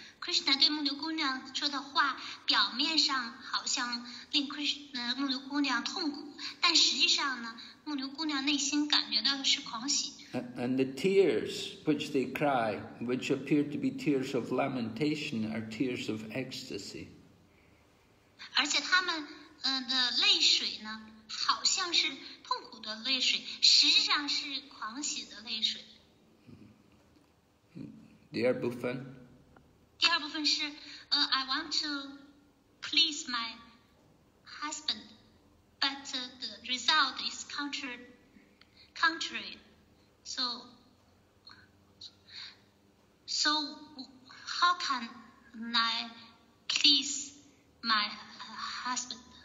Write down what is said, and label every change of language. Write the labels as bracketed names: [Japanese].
[Chinese] Krishna 对牧牛姑娘说的话，表面上好像令 Krishna 牧牛姑娘痛苦，但实际上呢，牧牛姑娘内心感觉到的是狂喜。 [English] And the tears which they cry, which appear to be tears of lamentation, are tears of ecstasy. [Chinese] 而且他们的泪水呢，好像是痛苦的泪水，实际上是狂喜的泪水。第二部分是 [English] I want to please my husband, but the result is contrary. So how can I please my husband?